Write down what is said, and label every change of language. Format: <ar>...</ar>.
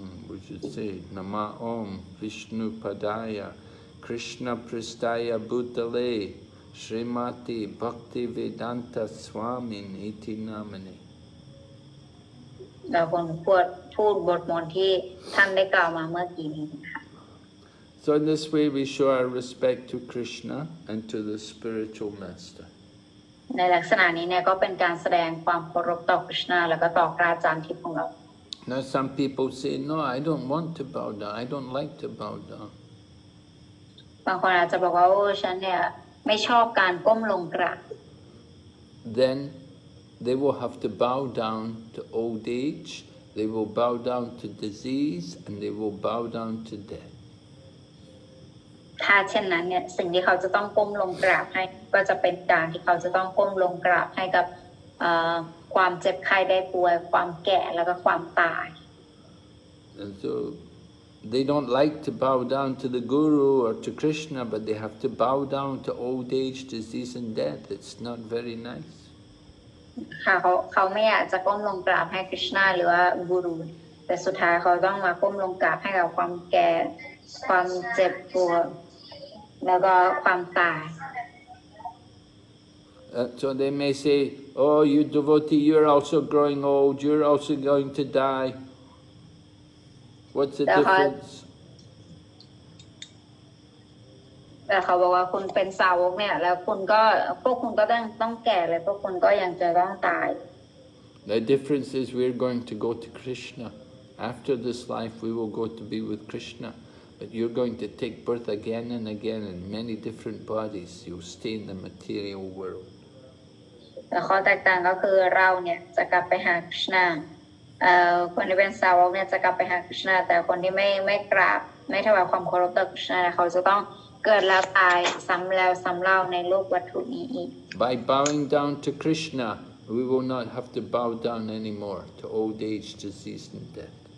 <en>We should say</en> <sa>Nama Om Vishnu Padaya Krishna Pristaya Bhutale Srimati Bhakti Vedanta Swami Iti Namine</sa> <th>เราควรพูดบทมนต์ที่ท่านได้กล่าวมาเมื่อกี้นี้ค่ะ</th> <en>So in this way we show our respect to Krishna and to the spiritual master.</en> <th>ในลักษณะนี้เนี่ยก็เป็นการแสดงความเคารพต่อคริสต์นาแล้วก็ต่อพระอาจารย์ที่ของเรา</th> <en>Now some people say, no, I don't want to bow down. I don't like to bow down.</en> <th>บางคนอาจจะบอกว่าโอ้ฉันเนี่ยไม่ชอบการก้มลงกราบ</th> <en>Then they will have to bow down to old age. They will bow down to disease and they will bow down to death.</en> <th>ถ้าเช่นนั้นเนี่ยสิ่งที่เขาจะต้องก้มลงกราบให้ก็จะเป็นการที่เขาจะต้องก้มลงกราบให้กับความเจ็บไข้ได้ป่วยความแก่แล้วก็ความตาย</th> <en>And so they don't like to bow down to the guru or to Krishna but they have to bow down to old age disease and death it's not very nice</en> <th>เขาไม่อยากจะก้มลงกราบให้คริสต์นาหรือว่ากูรูแต่สุดท้ายเขาต้องมาก้มลงกราบให้กับความแก่ความเจ็บปวดแล้วก็ความตาย</th> <en>So they may say, "Oh, you devotee, you're also growing old. You're also going to die. What's the difference?"</en> <th>แต่เขาบอกว่าคุณเป็นสาวกเนี่ยแล้วพวกคุณก็ต้องแก่เลยพวกคุณก็ยังจะต้องตาย</th> <en>The difference is we're going to go to Krishna. After this life, we will go to be with Krishna. But you're going to take birth again and again in many different bodies. You'll stay in the material world.</en> <th>The ข้อแตกต่างก็คือเราเนี่ยจะกลับไปหาคริสต์นาคนที่เป็นสาวกเนี่ยจะกลับไปหาคริสต์นาแต่คนที่ไม่กราบไม่ถวายความเคารพต่อคริสต์นาเขาจะต้องเกิดแล้วตายซ้ำแล้วซ้ำเล่าในโลกวัตถุนี้อีก</th> <en>By bowing down to Krishna, we will not have to bow down anymore to old age, disease, and death.</en>